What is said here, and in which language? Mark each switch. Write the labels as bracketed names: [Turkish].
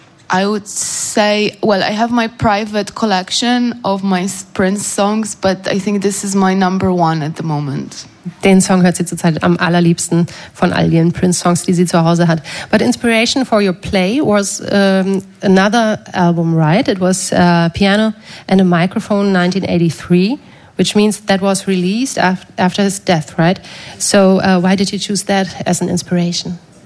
[English] I would say, well, I have my private collection of my Prince songs, but I think this is my number one at the moment. [German] Den Song hört sie zurzeit am allerliebsten von all ihren Prince Songs, die sie zu Hause hat. [English] But inspiration for your play was another album, right? It was Piano and a Microphone, 1983, which means that was released after his death, right? So why did you choose that as an inspiration?